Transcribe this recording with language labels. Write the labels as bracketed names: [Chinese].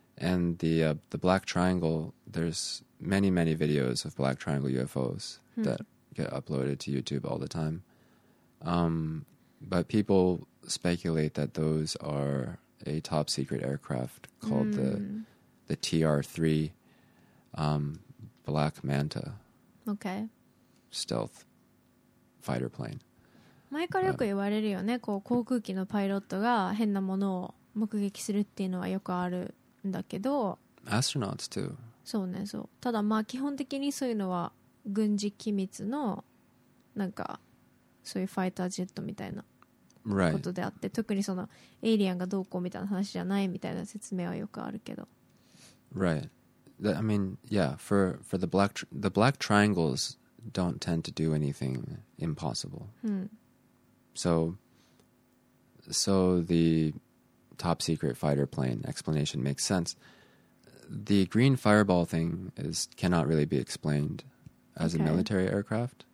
[English] And the black triangle, there's many, many videos of black triangle UFOs that get uploaded to YouTube all the time. But people speculate that those are a top secret aircraft called the TR-3 Black Manta. Okay. Stealth fighter plane. [Japanese] 前からよく言われるよね。こう航空機のパイロットが変なものを目撃するっていうのはよくあるんだけど。 [English] Astronauts too. [Japanese] そうね、そう。ただまあ基本的にそういうのは軍事機密のなんか。そういうファイタージェットみたいなことであって、 [English] right. [Japanese] 特にそのエイリアンがどうこうみたいな話じゃないみたいな説明はよくあるけど。 [English] Right. That, I mean, yeah, for the black triangles don't tend to do anything impossible. So the top secret fighter plane explanation makes sense. The green fireball thing cannot really be explained as a military aircraft.